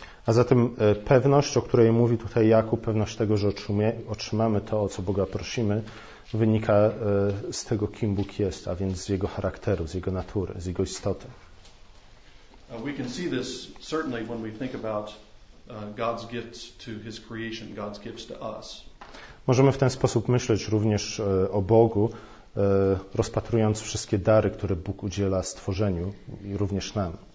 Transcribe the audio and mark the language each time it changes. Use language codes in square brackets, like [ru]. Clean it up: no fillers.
[pl] A zatem pewność, o której mówi tutaj Jakub, pewność tego, że otrzymamy to, o co Boga prosimy, wynika z tego, kim Bóg jest, a więc z jego charakteru, z jego natury, z jego istoty. [en] We can see this certainly when we think about God's gifts to his creation, God's gifts to us. [pl] Możemy w ten sposób myśleć również o Bogu, rozpatrując wszystkie dary, które Bóg udziela stworzeniu i również nam.